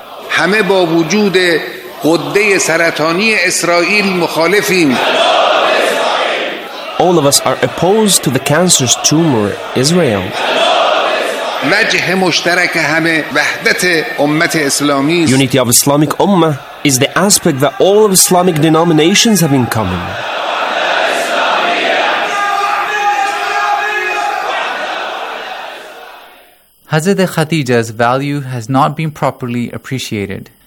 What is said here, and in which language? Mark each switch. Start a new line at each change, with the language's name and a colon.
Persian: همه با وجود غده سرطانی اسرائیل مخالفیم
English: All of us are opposed to the cancerous tumor Israel
Persian: وجه مشترک همه وحدت امت اسلامی
English: Unity of Islamic Ummah is the aspect that all of Islamic denominations have in common. Hazrat Khadija's value has not been properly appreciated.